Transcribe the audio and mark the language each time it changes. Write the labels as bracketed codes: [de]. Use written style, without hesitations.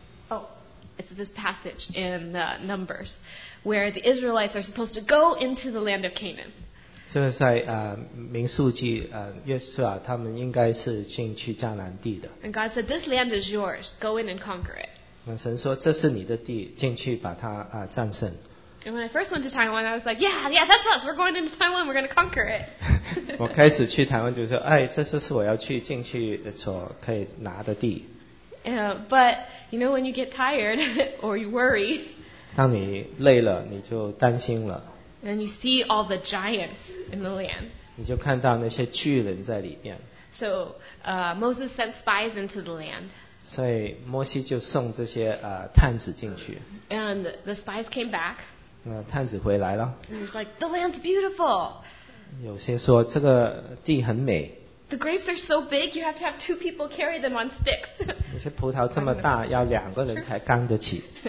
[en] Oh, it's this passage in Numbers, where the Israelites are supposed to go into the land of Canaan. [zh] 这是在民数记约书亚他们应该是进去迦南地的。 [en] And God said, "This land is yours. Go in and conquer it." [zh] 那神说这是你的地，进去把它战胜。 [en] And when I first went to Taiwan, I was like, yeah, that's us. We're going into Taiwan. We're going to conquer it. [zh] 我开始去台湾就说，哎，这就是我要去进去所可以拿的地。 [en] But you know, when you get tired or you worry, [zh] 当你累了，你就担心了。 [en] And you see all the giants in the land. [zh] 你就看到那些巨人在里面。 [en] So, Moses sent spies into the land. [zh] 所以摩西就送这些探子进去。 [en] And the spies came back. [zh] 探子回来了。 [en] And he's like, "The land's beautiful." [zh] 有些说这个地很美。 [en] The grapes are so big, you have to have two people carry them on sticks. [zh] 有些葡萄这么大，要两个人才扛得起。